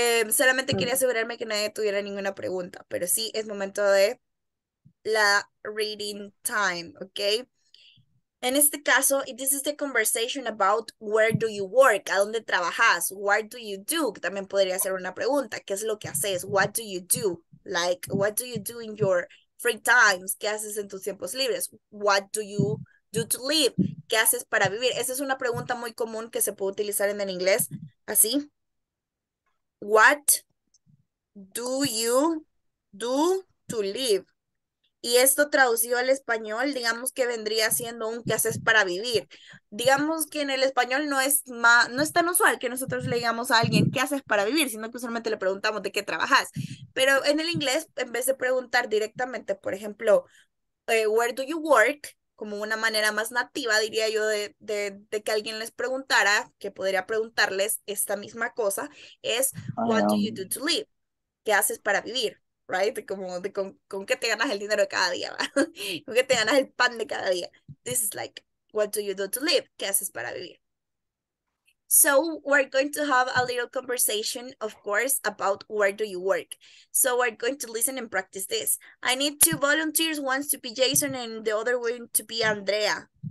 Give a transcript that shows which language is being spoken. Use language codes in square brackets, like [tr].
[es] Solamente quería asegurarme que nadie tuviera ninguna pregunta, pero sí, es momento de la reading time, ¿ok? En este caso, [en] this is the conversation about where do you work, [es] ¿a dónde trabajas? [en] What do you do? [es] También podría ser una pregunta, ¿qué es lo que haces? [en] What do you do? Like, what do you do in your free times? [es] ¿Qué haces en tus tiempos libres? [en] What do you do to live? [es] ¿Qué haces para vivir? Esa es una pregunta muy común que se puede utilizar en el inglés. Así. [en] What do you do to live? [es] Y esto traducido al español, digamos que vendría siendo un ¿qué haces para vivir? Digamos que en el español no es tan usual que nosotros le digamos a alguien ¿qué haces para vivir? Sino que usualmente le preguntamos ¿de qué trabajas? Pero en el inglés, en vez de preguntar directamente, por ejemplo, [en] where do you work? [es] Como una manera más nativa, diría yo, de que alguien les preguntara, que podría preguntarles esta misma cosa, es, [en] what do you do to live? [es] ¿Qué haces para vivir? Right? Como, ¿con qué te ganas el dinero de cada día? ¿Verdad? ¿Con qué te ganas el pan de cada día? [en] This is like, what do you do to live? [es] ¿Qué haces para vivir? [en] So, we're going to have a little conversation, of course, about where do you work. So, we're going to listen and practice this. I need two volunteers, one to be Jason and the other one to be Andrea.